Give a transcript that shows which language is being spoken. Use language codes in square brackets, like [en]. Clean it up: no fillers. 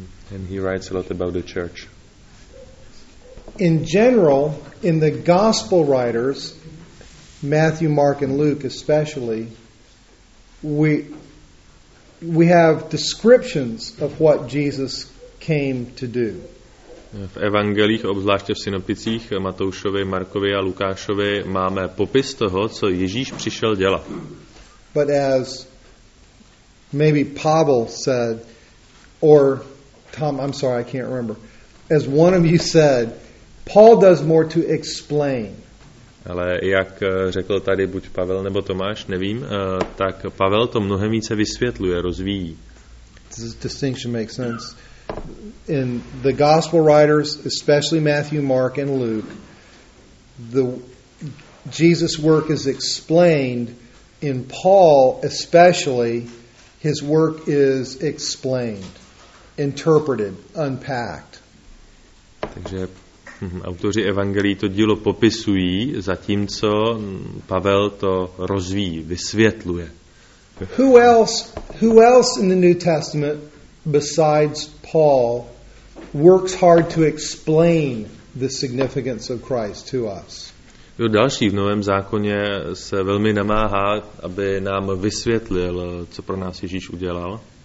[en] And he writes a lot about the church. In general, in the gospel writers, Matthew, Mark, and Luke especially, we have descriptions of what Jesus came to do. [cs] V evangelích, obzvláště v synopticích Matoušovi, Markovi a Lukášovi, máme popis toho, co Ježíš přišel dělat. [en] But as maybe Pavel said, or Tom, I'm sorry, I can't remember. As one of you said, Paul does more to explain. [cs] Ale jak řekl tady buď Pavel nebo Tomáš, nevím, tak Pavel to mnohem více vysvětluje, rozvíjí. [en] This distinction makes sense. In the gospel writers, especially Matthew, Mark, and Luke, the Jesus' work is explained. In Paul, especially, his work is explained, interpreted, unpacked. [cs] Takže autoři evangelií to dílo popisují, zatímco Pavel to rozvíjí, vysvětluje. [en] Who else in the New Testament besides Paul works hard to explain the significance of Christ to us? [cs] Kdo další v Novém zákoně se velmi namáhá, aby nám vysvětlil, co pro nás Ježíš udělal?